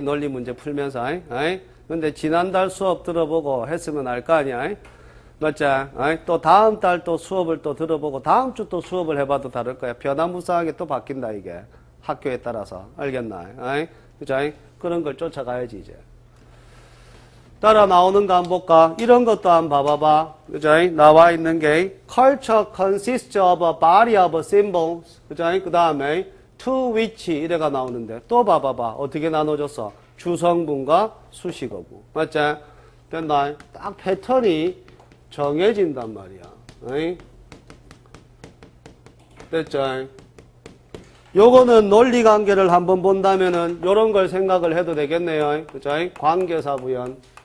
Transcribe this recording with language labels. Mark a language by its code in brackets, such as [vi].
[ko] 논리 문제 풀면서. 근데 지난달 수업 들어보고 했으면 알거 아니야. 맞죠? 또 다음 달또 수업을 또 들어보고 다음 주또 수업을 해봐도 다를 거야. 변화무쌍하게 또 바뀐다, 이게. 학교에 따라서. 알겠나? 그죠? 그런 걸 쫓아가야지, 이제. 따라 나오는 거 한번 볼까? 이런 것도 한번 봐봐봐. 그죠? 나와 있는 게 [en] Culture consists of a body of symbols. [ko] 그죠? 그 다음에 to which 이래가 나오는데 또 봐봐봐. 어떻게 나눠졌어? 주성분과 수식어구. 맞지? 됐나? 딱 패턴이 정해진단 말이야. 됐죠? 요거는 논리 관계를 한번 본다면은 요런 걸 생각을 해도 되겠네요. 그죠? 관계사 부연.